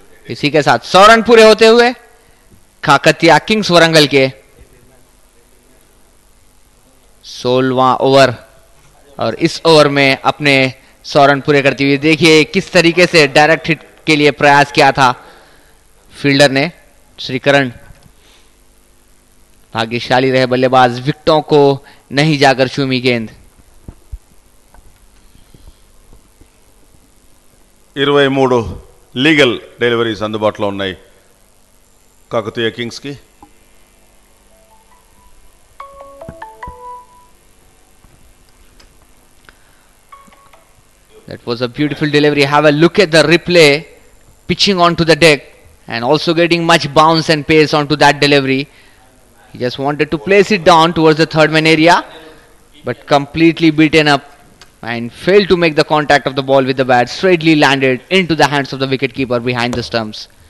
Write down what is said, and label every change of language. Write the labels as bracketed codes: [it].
[hi] इसी के साथ 100 रन पूरे होते हुए काकतिया किंग्स वरंगल के 16वां ओवर, और इस ओवर में अपने 100 रन पूरे करते हुए देखिए किस तरीके से डायरेक्ट हिट के लिए प्रयास किया था फील्डर ने श्रीकरण. भाग्यशाली रहे बल्लेबाज, विकटों को नहीं जाकर चूमी गेंद. [te] 23 లీగల్ డెలివరీస్ అందుబాటులో ఉన్నాయి కాకతీయ కింగ్స్ కి. [en] That was a beautiful delivery. Have a look at the replay, pitching on to the deck and also getting much bounce and pace on to that delivery. He just wanted to place it down towards the third man area but completely beaten up and failed to make the contact of the ball with the bat, straightly landed into the hands of the wicketkeeper behind the stumps.